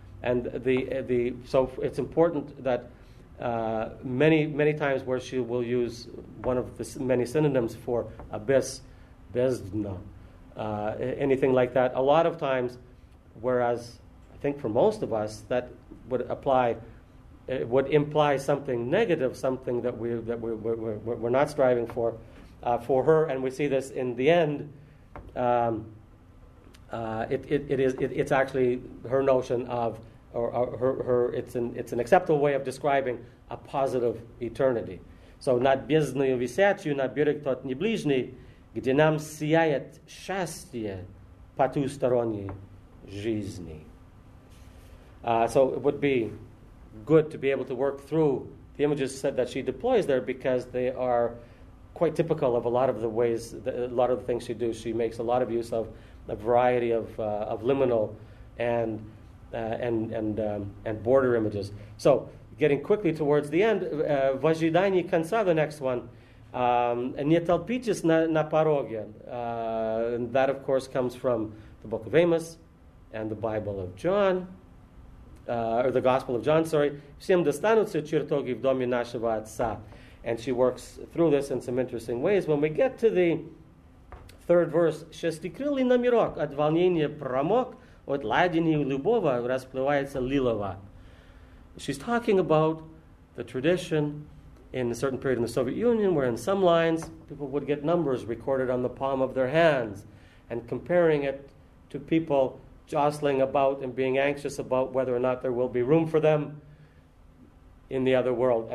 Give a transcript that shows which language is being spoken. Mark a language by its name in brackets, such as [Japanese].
[English] And so it's important that many times where she will use one of the many synonyms for abyss, бездна, anything like that. A lot of times, whereas I think for most of us that would apply, it would imply something negative, something that we're not striving for. For her, and we see this in the end, it's actually her notion of, or her it's an acceptable way of describing a positive eternity. So [Russian] над бездною висячью, над берег тот не ближний, где нам сияет счастье по ту сторону жизни. [English] So it would be good to be able to work through the images that she deploys there, because they are quite typical of a lot of the ways, a lot of the things she does. She makes a lot of use of a variety of liminal and border images. So, getting quickly towards the end, [Russian] в ожидании конца, [English] the next one, [Russian] не толпитесь на пороге. [English] That, of course, comes from the Book of Amos and the Bible of John, or the Gospel of John, sorry. [Russian] Всем достанутся чертоги в доме нашего отца. [English] And she works through this in some interesting ways. When we get to the third verse, [Russian] «Шестикрылый номерок от волнения промок, от ладени любого расплывается лилова». [English] She's talking about the tradition in a certain period in the Soviet Union where in some lines people would get numbers recorded on the palm of their hands, and comparing it to people jostling about and being anxious about whether or not there will be room for them in the other world.